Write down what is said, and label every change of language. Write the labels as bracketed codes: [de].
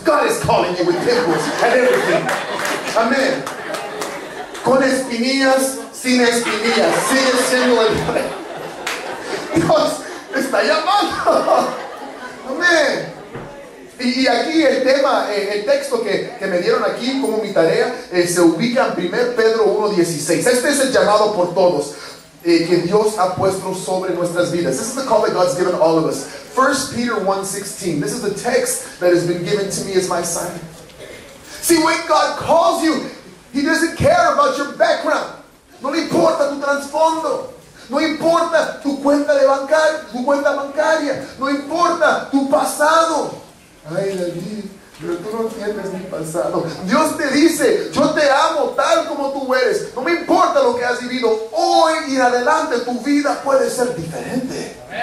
[en] God is calling you with pimples and everything. [es] Amen. Con espinillas, sin espinillas. Sigue siendo el rey. Dios está llamando. Amen. Y aquí el tema, el texto que me dieron aquí como mi tarea, se ubica en 1 Pedro 1:16. Este es el llamado por todos que Dios ha puesto sobre nuestras vidas. [en] This is the call that God's given all of us. 1 Peter 1:16. This is the text that has been given to me as my sign. See, when God calls you, He doesn't care about your background. [es] No le importa tu trasfondo. No importa tu cuenta de bancaria, tu cuenta bancaria. No importa tu pasado. Ay, David, pero tú no tienes mi pasado. Dios te dice, yo te amo tal como tú eres. No me importa lo que has vivido. Hoy y en adelante tu vida puede ser diferente.